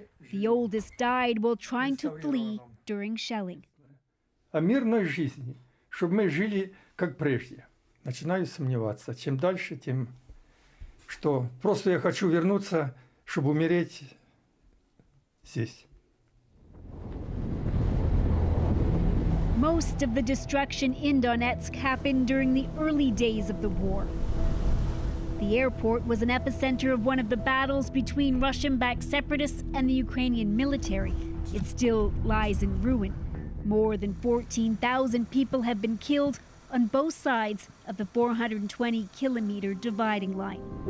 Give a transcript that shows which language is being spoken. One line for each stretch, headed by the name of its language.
English: The oldest died while trying to flee during shelling.
Russian: О мирной жизни, чтобы мы жили как прежде. Начинаю сомневаться. Чем дальше, тем... что просто я хочу вернуться, чтобы умереть здесь.
English: Most of the destruction in Donetsk happened during the early days of the war. The airport was an epicenter of one of the battles between Russian-backed separatists and the Ukrainian military. It still lies in ruin. More than 14,000 people have been killed on both sides of the 420-kilometer dividing line.